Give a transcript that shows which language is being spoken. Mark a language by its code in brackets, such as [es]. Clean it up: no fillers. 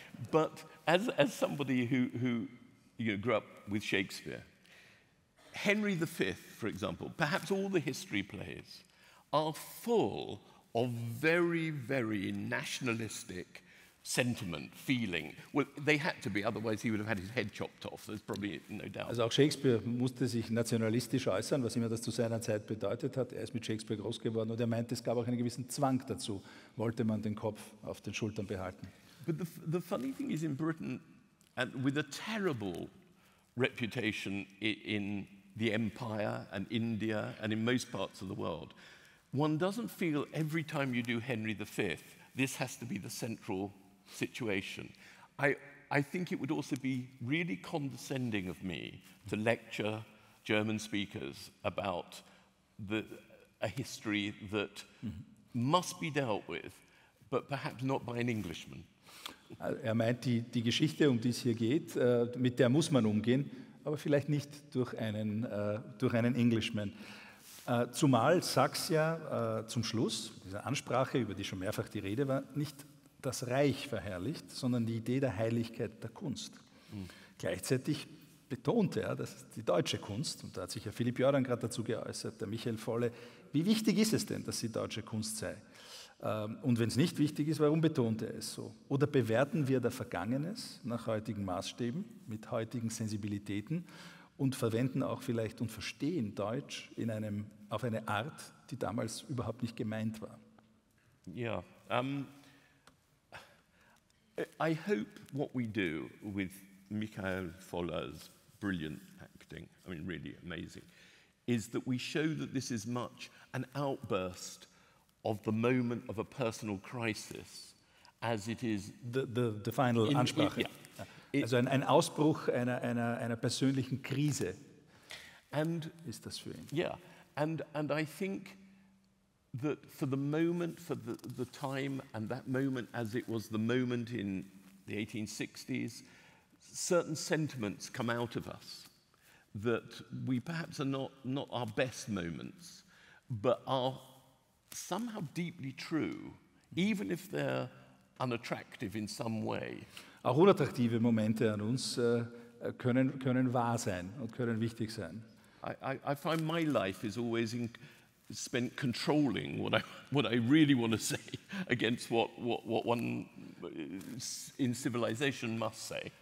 [en] But as somebody who grew up with Shakespeare, Henry V, for example, perhaps all the history plays are full of very, very nationalistic sentiment, feeling. Well, they had to be, otherwise he would have had his head chopped off. There's probably no doubt. [de] Also auch Shakespeare musste sich nationalistisch äußern, was immer das zu seiner Zeit bedeutet hat. Er ist mit Shakespeare groß geworden und er meinte, es gab auch einen gewissen Zwang dazu, wollte man den Kopf auf den Schultern behalten. [en] But the funny thing is, in Britain, and with a terrible reputation in the Empire and India and in most parts of the world, one doesn't feel every time you do Henry V, this has to be the central situation. I think it would also be really condescending of me to lecture German speakers about a history that must be dealt with, but perhaps not by an Englishman. [de] Er meint, die Geschichte, um die es hier geht, mit der muss man umgehen, aber vielleicht nicht durch einen Englishman. Zumal Sachs ja zum Schluss, dieser Ansprache, über die schon mehrfach die Rede war, nicht das Reich verherrlicht, sondern die Idee der Heiligkeit der Kunst. Gleichzeitig betont er, das ist die deutsche Kunst, und da hat sich ja Philipp Jordan gerade dazu geäußert, der Michael Volle, wie wichtig ist es denn, dass sie deutsche Kunst sei? Und wenn es nicht wichtig ist, warum betont er es so? Oder bewerten wir das Vergangenes nach heutigen Maßstäben, mit heutigen Sensibilitäten und verwenden auch vielleicht und verstehen Deutsch auf eine Art, die damals überhaupt nicht gemeint war? [en] Ja, I hope what we do with Michael Foller's brilliant acting, I mean really amazing, is that we show that this is much an outburst of the moment of a personal crisis, as it is the final [de] Ansprache. [en] Yeah. [de] Also ein Ausbruch einer persönlichen Krise. [en] And [de] ist das für ihn? [en] Yeah, and I think that for the moment, for the time, and that moment as it was the moment in the 1860s, certain sentiments come out of us that we perhaps are not our best moments, but are somehow deeply true, even if they're unattractive in some way. [de] Auch unattraktive Momente an uns können wahr sein und können wichtig sein. [en] I find my life is always spent controlling what I really want to say against what one in civilization must say.